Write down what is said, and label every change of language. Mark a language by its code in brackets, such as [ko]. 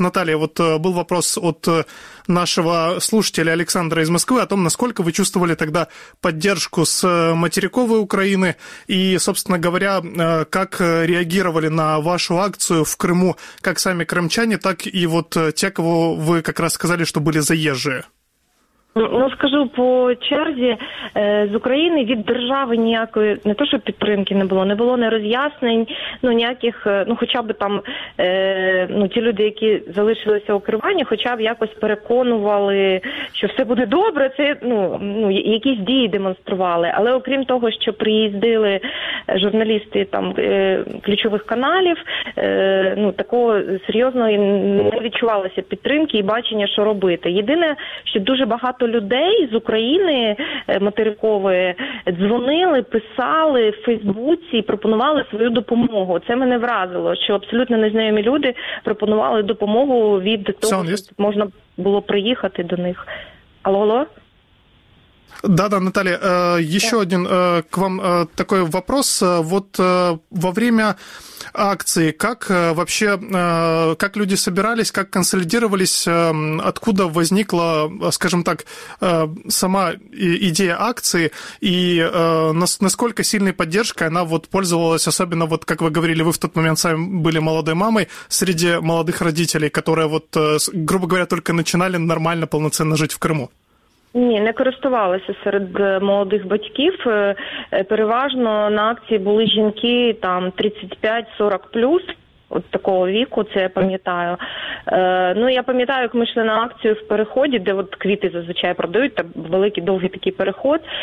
[ru] Наталья, вот был вопрос от нашего слушателя Александра из Москвы о том, насколько вы чувствовали тогда поддержку с материковой Украины и, собственно говоря, как реагировали на вашу акцию в Крыму, как сами крымчане, так и вот те, кого вы как раз сказали, что были заезжие. [uk] Ну, скажу по черзі, з України від держави ніякої, не то, що підтримки не було ні роз'яснень, ну, ніяких, ну, хоча б там, ну, ті люди, які залишилися у керуванні, хоча б якось переконували, що все буде добре, це, ну, якісь дії демонстрували. Але окрім того, що приїздили журналісти там ключових каналів, ну, такого серйозного не відчувалося підтримки і бачення, що робити. Єдине, що дуже багато людей з України материкової дзвонили, писали в Фейсбуці і пропонували свою допомогу. Це мене вразило, що абсолютно незнайомі люди пропонували допомогу від того, що можна було приїхати до них. Алло-алло? [ru] Да-да, Наталія, [uk] ще один [ru] к вам такой вопрос. Вот во время акции, как вообще, как люди собирались, как консолидировались, откуда возникла, скажем так, сама идея акции, и насколько сильной поддержкой она вот пользовалась, особенно вот, как вы говорили, вы в тот момент сами были молодой мамой, среди молодых родителей, которые вот, грубо говоря, только начинали нормально, полноценно жить в Крыму. [uk] Ні, не користувалися серед молодих батьків. Переважно на акції були жінки там 35-40 плюс, от такого віку, це я пам'ятаю. Ну, я пам'ятаю, як ми йшли на акцію в переході, де от квіти зазвичай продають, там великий довгий такий переход.